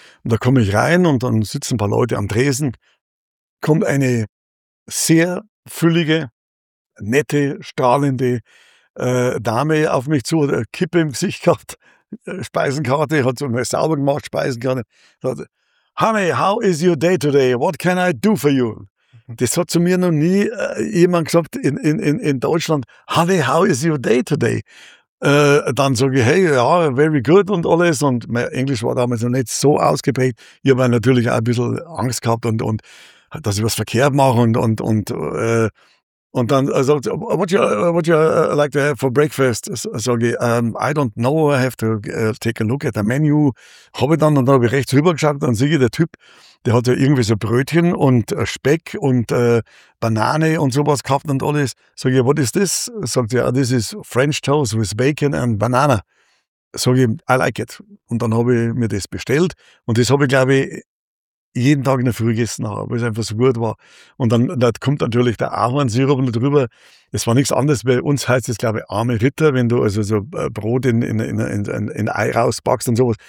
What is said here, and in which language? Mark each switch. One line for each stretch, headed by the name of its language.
German: Und da komme ich rein und dann sitzen ein paar Leute am Tresen. Kommt eine sehr füllige, nette, strahlende Dame auf mich zu, hat eine Kippe im Gesicht gehabt, Speisenkarte, hat so mal sauber gemacht, Speisenkarte.
English: Sagt, Honey, how is your day today? What can I do for you?
German: Das hat zu mir noch nie jemand gesagt in Deutschland.
English: Honey, how is your day today?
German: Dann sage ich, hey, ja,
English: very good
German: und alles. Und mein Englisch war damals noch nicht so ausgeprägt. Ich habe natürlich auch ein bisschen Angst gehabt und dass ich was verkehrt mache. Und dann sagt sie,
English: what you like to have for breakfast?
German: Sage ich,
English: I don't know, I have to take a look at the menu. Habe ich dann und dann habe ich rechts rüber geschaut, dann sehe ich, der Typ, der hat ja irgendwie so Brötchen und Speck und Banane und sowas gehabt und alles.
German: Sage ich,
English: what is this?
German: Sagt sie,
English: this is French toast with bacon and banana.
German: Sage ich,
English: I like it.
German: Und dann habe ich mir das bestellt und das habe ich, glaube ich, jeden Tag in der Früh gegessen habe, weil es einfach so gut war. Und dann da kommt natürlich der Ahornsirup drüber. Es war nichts anderes. Bei uns heißt es, glaube ich, arme Ritter, wenn du also so Brot in Ei rauspackst und sowas.